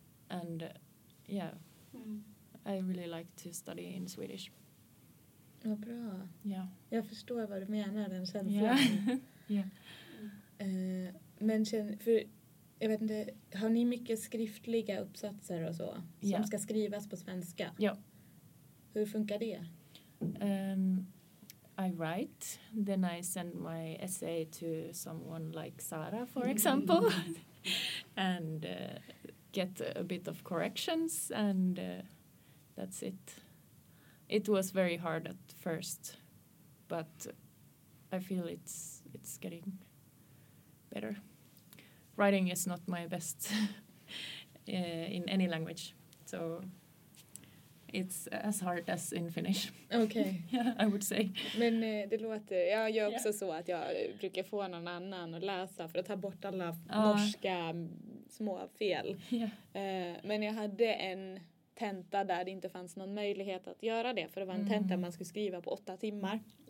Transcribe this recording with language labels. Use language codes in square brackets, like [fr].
[en] And yeah, I really like to study in Swedish. [sv] Ja, bra. Ja. Jag förstår vad du menar den sen. Ja. Men sen, för jag vet inte, har ni mycket skriftliga uppsatser och så som ska skrivas på svenska? Ja. Hur funkar det? [en] I write, then I send my essay to someone like Sara, for example, and get a bit of corrections, and that's it. It was very hard at first, but I feel it's getting better. Writing is not my best in any language, so it's as hard as in Finnish. Okay. Yeah, I would say. [sv] Men det låter, jag gör också så att jag brukar få någon annan att läsa för att ta bort alla norska små fel. Men jag hade en tenta där det inte fanns någon möjlighet att göra det, för det var en tenta man skulle skriva på 8 timmar.